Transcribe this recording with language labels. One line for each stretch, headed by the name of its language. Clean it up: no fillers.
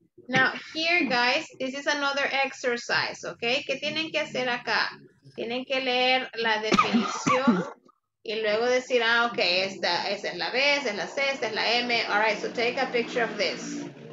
English: Now, here guys, this is another exercise, ok?
Spanish: ¿Qué tienen que hacer acá? Tienen que leer la definición y luego decir, ah, ok, esta es la B, esta es la C, esta es la M.
English: All right, so take a picture of this.